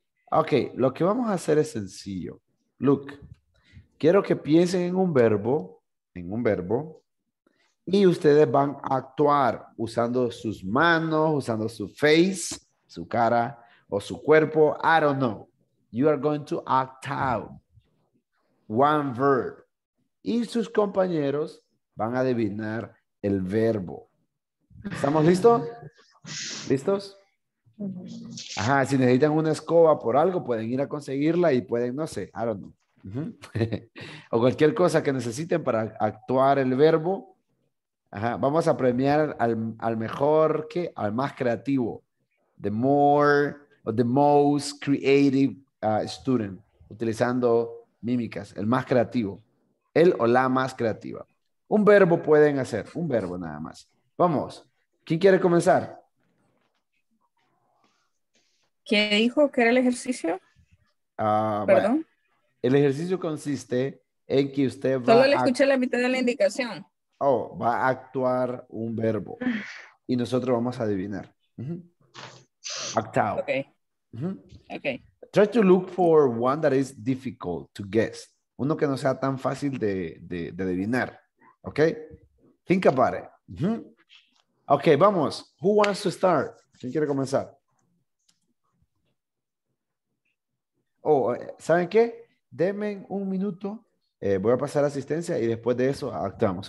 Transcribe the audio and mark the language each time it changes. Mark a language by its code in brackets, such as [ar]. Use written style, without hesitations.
[es] Okay, lo que vamos a hacer es sencillo. Look. Quiero que piensen en un verbo, y ustedes van a actuar usando sus manos, usando su face, su cara o su cuerpo. [en] I don't know. You are going to act out one verb. [es] Y sus compañeros van a adivinar el verbo. ¿Estamos listos? ¿Listos? Ajá, si necesitan una escoba por algo, pueden ir a conseguirla y pueden, no sé, [en] I don't know. [es] O cualquier cosa que necesiten para actuar el verbo. Ajá. Vamos a premiar al mejor, que al más creativo, [en] the more or the most creative student, [es] utilizando mímicas, el más creativo, el o la más creativa. Un verbo pueden hacer, un verbo nada más. Vamos, ¿quién quiere comenzar? ¿Qué dijo que era el ejercicio? Perdón. Bueno. El ejercicio consiste en que usted va a... Solo le escuché la mitad de la indicación. Oh, va a actuar un verbo. Y nosotros vamos a adivinar. Uh-huh. [en] Act out. Okay. Uh-huh. Okay. Try to look for one that is difficult to guess. [es] Uno que no sea tan fácil de adivinar. [en] Okay? Think about it. Uh-huh. Okay, vamos. Who wants to start? [es] ¿Quién quiere comenzar? Oh, ¿saben qué? Denme un minuto, voy a pasar asistencia y después de eso actuamos.